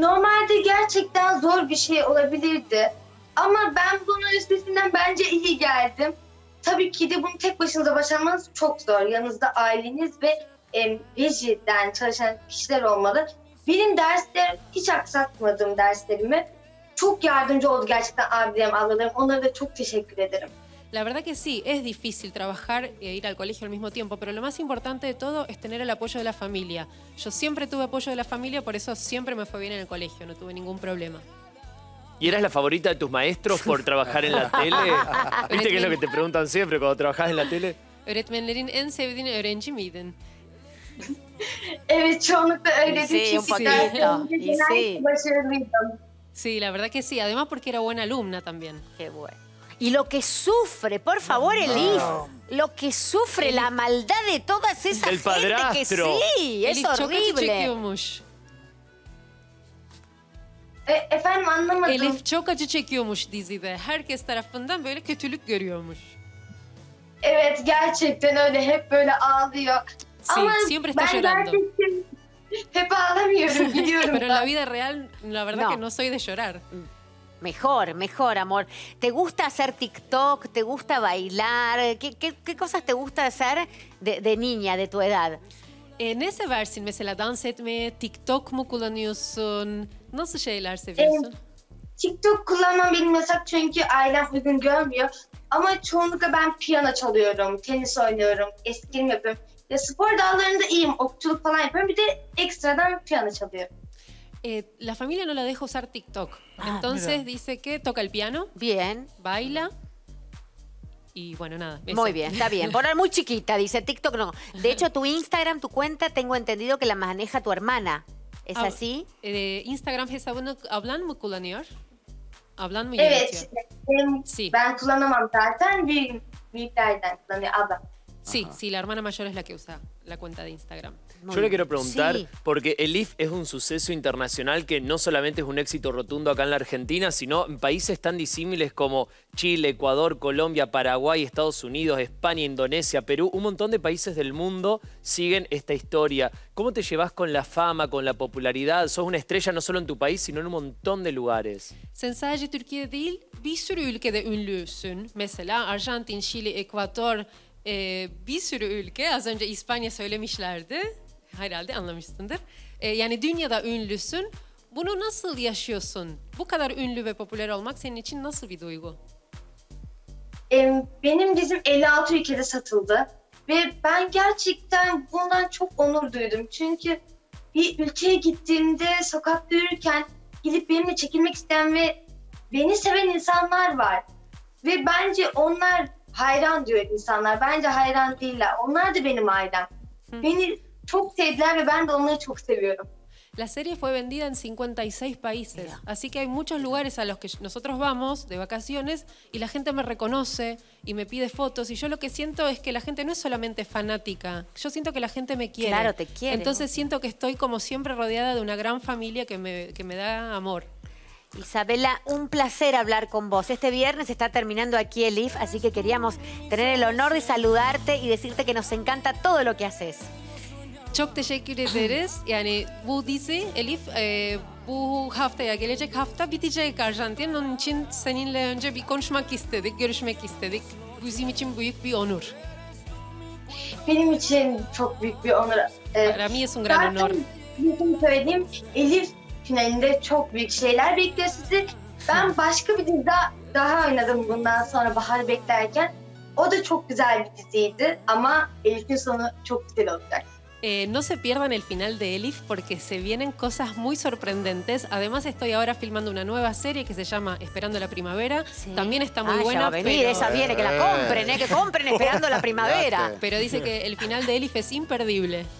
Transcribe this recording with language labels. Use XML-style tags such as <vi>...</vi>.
<tr>Normalde gerçekten zor bir şey olabilirdi. Ama ben bunun üstesinden bence iyi geldim. Tabii ki de bunu tek başınıza başarmanız çok zor. Yanınızda aileniz ve rejiden çalışan kişiler olmalı. Benim derslerim, hiç aksatmadım derslerimi. Çok yardımcı oldu gerçekten abilerim, ablalarım. Onlara da çok teşekkür ederim.</tr> <es>La verdad que sí, es difícil trabajar e ir al colegio al mismo tiempo, pero lo más importante de todo es tener el apoyo de la familia. Yo siempre tuve apoyo de la familia, por eso siempre me fue bien en el colegio, no tuve ningún problema. ¿Y eras la favorita de tus maestros por trabajar en la tele? ¿Viste que es lo que te preguntan siempre cuando trabajas en la tele?</es> <tr>Öğretmenlerin en sevdiğin öğrenci miydin? Evet, çoğunlukla öyle.</tr> <es>Sí, un poquito. Sí, la verdad que sí, además porque era buena alumna también. Qué bueno. Y lo que sufre, por favor, Elif, lo que sufre, la maldad de toda esa gente padrastro. Que sí, es Elif, horrible.</es> <tr>Elif çok acı çekiyormuş. Efendim, anlamadım. Elif çok acı çekiyormuş dizide. Herkes tarafından böyle kötülük görüyormuş. Evet, gerçekten öyle. Hep böyle ağlıyor.</tr> <es>Sí,</es> <tr>ama</tr> <es>siempre</es> <tr>ben gerçekten hep ağlamıyorum, biliyorum.</tr> <es>Pero en la vida real, la verdad no. Que no soy de llorar. Mejor, mejor, amor. ¿Te gusta hacer TikTok? ¿Te gusta bailar? ¿Qué cosas te gusta hacer de niña, de tu edad?</es> <tr>En ese versin, mesela dans etme, TikTok mu kullanıyorsun? Nasıl şeyler seviyorsun? TikTok kullanmam bilmesek çünkü ailem uygun görmüyor. Ama çoğunlukla ben piyano çalıyorum, tenis oynuyorum, eskrim yapıyorum. Ya spor dallarında iyiyim, okçuluk falan yapıyorum. Bir de ekstradan piyano çalıyorum.</tr> <es>La familia no la deja usar TikTok. Entonces dice que toca el piano. Bien. Baila. Y bueno, nada. Eso. Muy bien, está bien. Poner muy chiquita, dice TikTok no. De hecho, tu Instagram, tu cuenta, tengo entendido que la maneja tu hermana. ¿Es así? Instagram es abono. ¿Hablan muy</es> <tr>kullanıyor?</tr> <es>Hablan muy bien.</es> <tr>Evet, sí. Ben kullanamam zaten. Büyüklerden kullanıyor.</tr> <es>Sí, sí, la hermana mayor es la que usa la cuenta de Instagram. Muy Yo le quiero preguntar, sí. porque el IF es un suceso internacional que no solamente es un éxito rotundo acá en la Argentina, sino en países tan disímiles como Chile, Ecuador, Colombia, Paraguay, Estados Unidos, España, Indonesia, Perú, un montón de países del mundo siguen esta historia. ¿Cómo te llevas con la fama, con la popularidad? Sos una estrella no solo en tu país, sino en un montón de lugares.</es> <tr>Sensaje Türkiye değil, bir sürü ülkede ünlüsün. Mesela Arjantin, Chile, Ecuador... bir sürü ülke, az önce İspanya söylemişlerdi, herhalde anlamışsındır. Yani dünyada ünlüsün, bunu nasıl yaşıyorsun? Bu kadar ünlü ve popüler olmak senin için nasıl bir duygu? Benim dizim 56 ülkede satıldı. Ve ben gerçekten bundan çok onur duydum. Çünkü bir ülkeye gittiğimde, sokakta yürürken gidip benimle çekilmek isteyen ve beni seven insanlar var. Ve bence onlar... Hayran diyor insanlar. Bence hayran değiller. Onlar da benim ailem. Beni çok sevdiler ve ben de onları çok seviyorum.</tr> <es>La serie fue vendida en 56 países, yeah. así que hay muchos lugares a los que nosotros vamos de vacaciones y la gente me reconoce y me pide fotos y yo lo que siento es que la gente no es solamente fanática, yo siento que la gente me quiere. Claro, te quiere. Entonces siento que estoy como siempre rodeada de una gran familia que me da amor. Isabela, un placer hablar con vos. Este viernes está terminando aquí el IF, así que queríamos tener el honor de saludarte y decirte que nos encanta todo lo que haces.</es> <tr>Çok teşekkür ederiz. Yani bu dizi Elif bu haftaya gelecek hafta bitecek Arjantin. Onun için seninle önce bir konuşmak istedik, görüşmek istedik. Bizim için büyük bir onur. Benim için çok büyük bir onur.</tr> <es>Para mí es un gran honor.</es> <tr>Zaten söyleyeyim, Elif finalinde çok büyük şeyler bekliyor sizi. Ben başka bir dizi daha oynadım bundan sonra Bahar beklerken. O da çok güzel bir diziydi ama Elif'in sonu çok güzel olacak.</tr> <es>No se pierdan el final de Elif porque se vienen cosas muy sorprendentes. Además estoy ahora filmando una nueva serie que se llama Esperando la Primavera. Sí. También está muy buena. Ya va a venir, pero... Esa viene, que la compren, que compren Esperando la Primavera. Pero dice que el final de Elif es imperdible.</es>